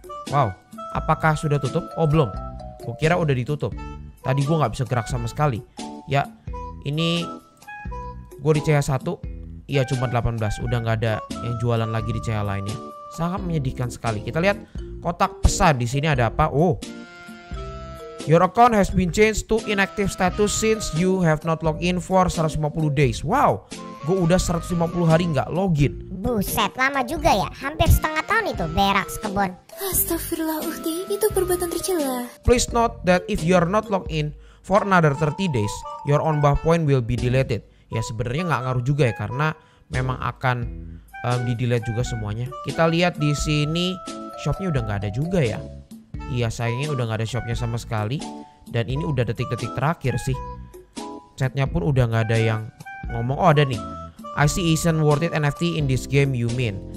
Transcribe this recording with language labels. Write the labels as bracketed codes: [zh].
[id] Wow, apakah sudah tutup? Oh belum, gue kira udah ditutup. Tadi gue gak bisa gerak sama sekali. Ya ini gue di CA1. Iya cuma 18, udah gak ada yang jualan lagi di CA lainnya. Sangat menyedihkan sekali. Kita lihat kotak pesan di sini ada apa? Oh. [en] Your account has been changed to inactive status since you have not logged in for 150 days. [id] Wow. Gue udah 150 hari enggak login. Buset, lama juga ya. Hampir setengah tahun itu berak sekebon. Astagfirullah Uhti, itu perbuatan tercela. [en] Please note that if you are not logged in for another 30 days, your on buff point will be deleted. [id] Ya sebenarnya enggak ngaruh juga ya karena memang akan di-delete juga semuanya. Kita lihat di sini shopnya udah gak ada juga ya. Iya sayangnya udah gak ada shopnya sama sekali. Dan ini udah detik-detik terakhir sih. Chatnya pun udah gak ada yang ngomong. Oh ada nih. [en] I see isn't worth it NFT in this game you mean.